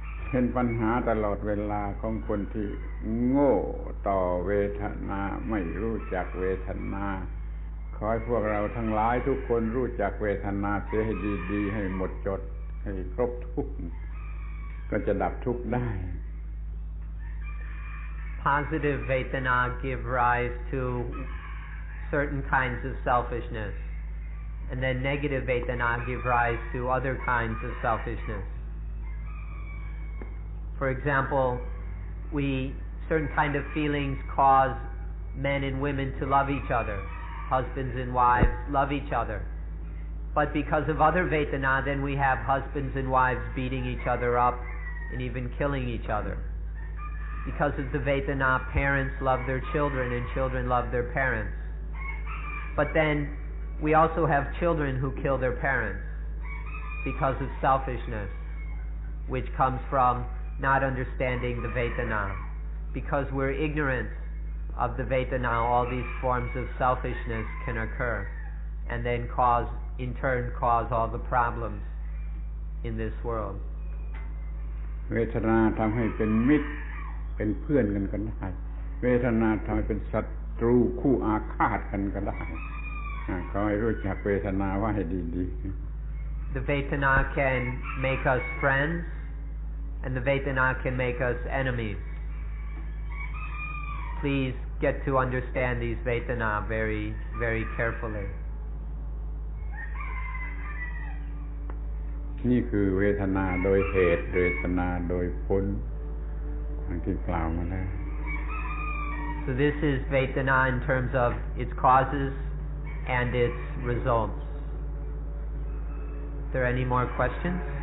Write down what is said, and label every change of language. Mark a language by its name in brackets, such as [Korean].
[Thai] เป็นปัญหาตลอดเวลาของคนที่โง่ต่อเวทนาไม่รู้จักเวทนาขอให้พวกเราทั้งหลายทุกคนรู้จักเวทนาเสียให้ดีๆให้หมดจดให้ครบทุกข์ก็จะดับทุกข์ได้ [English] Positive Vedana give rise to certain kinds of selfishness and then negative Vedana give rise to other kinds of selfishness For example we certain kind of feelings cause men and women to love each otherHusbands and wives love each other. But because of other Vedana, then we have husbands and wives beating each other up and even killing each other. Because of the Vedana, parents love their children and children love their parents. But then we also have children who kill their parents because of selfishness, which comes from not understanding the Vedana. Because we're ignorant. Of the Vedana, all these forms of selfishness can occur, and then in turn cause all the problems in this world. [Thai] Vedana ทำให้เป็นมิตรเป็นเพื่อนกันก็ได้ Vedana ทำให้เป็นศัตรูคู่อาฆาตกันก็ได้ ขอให้รู้จัก Vedana ว่าให้ดีๆ [English] The Vedana can make us friends, and the Vedana can make us enemies. Please get to understand these Vedana very, very carefully. [Thai] นี่คือเวทนาโดยเหตุเวทนาโดยผลทางที่กล่าวมาแล้ว [English] So this is Vedana in terms of its causes and its results. Are there any more questions?